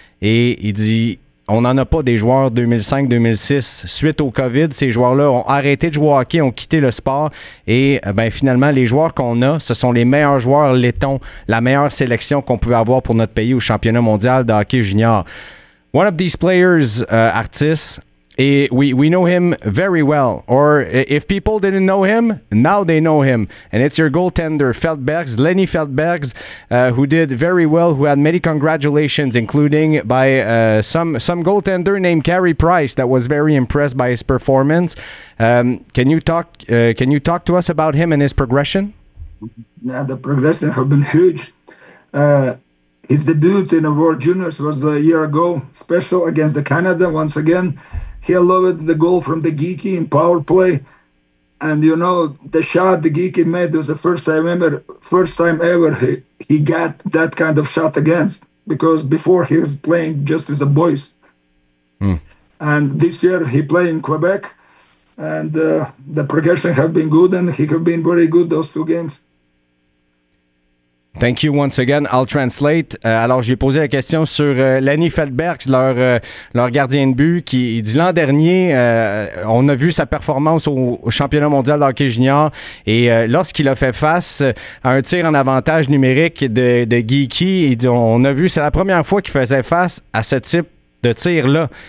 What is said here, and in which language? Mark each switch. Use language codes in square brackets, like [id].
[fr] Et il dit, on n'en a pas des joueurs 2005-2006. Suite au COVID, ces joueurs-là ont arrêté de jouer au hockey, ont quitté le sport. Et ben, finalement, les joueurs qu'on a, ce sont les meilleurs joueurs lettons, la meilleure sélection qu'on pouvait avoir pour notre pays au championnat mondial de hockey junior. [en] One of these players, Artis, we know him very well. Or if people didn't know him, now they know him. And it's your goaltender, Feldbergs, Lenny Feldbergs, who did very well, who had many congratulations, including by some goaltender named Carey Price that was very impressed by his performance. Can you talk to us about him and his progression? Yeah, the progression has been huge. His debut in the World Juniors was a year ago, special against the Canada once again. He allowed the goal from the Geeky in power play. And you know, the shot the Geeky made was the first time ever he got that kind of shot against, because before he was playing just with the boys. Mm. And this year he played in Quebec, and the progression have been good, and he have been very good those two games. Thank you once again. I'll translate. [fr] Alors, j'ai posé la question sur Lenny Feldbergs, leur gardien de but, qui dit l'an dernier, on a vu sa performance au championnat mondial d'hockey junior, et lorsqu'il a fait face à un tir en avantage numérique de Geeky, on a vu, c'est la première fois qu'il faisait face à ce type de tir-là.